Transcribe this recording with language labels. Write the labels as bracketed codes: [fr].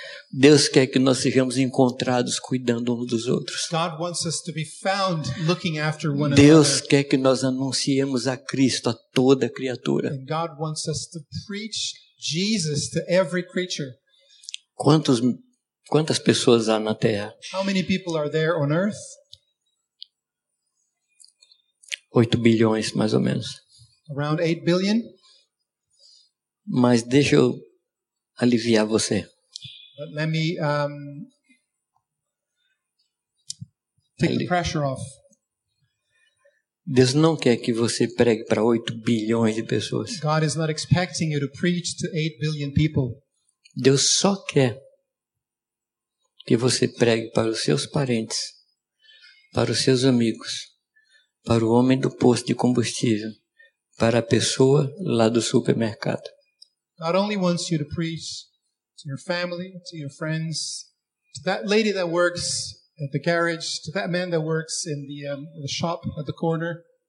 [pt] Deus quer que nós sejamos encontrados cuidando uns dos outros. [en] God wants us to be found looking after one [pt] Deus [en] another. [pt] Quer que nós anunciemos a Cristo a toda criatura. [en] And God wants us to preach Jesus to every creature. [pt] Quantas pessoas há na terra? [en] How many people are there on earth? [pt] 8 bilhões mais ou menos. [en] Around 8 billion. [pt] Mas deixa eu aliviar você. [en] But let me take the pressure off. [pt] Deus não quer que você pregue para 8 bilhões de pessoas. [en] God is not expecting you to preach to 8 billion people. [pt] Deus só quer que você pregue para os seus parentes, para os seus amigos, para o homem do posto de combustível, para a pessoa lá do supermercado. [en] God only wants you to preach to your family, to your friends, to that lady that works at the garage, to that man that works in the shop at the corner.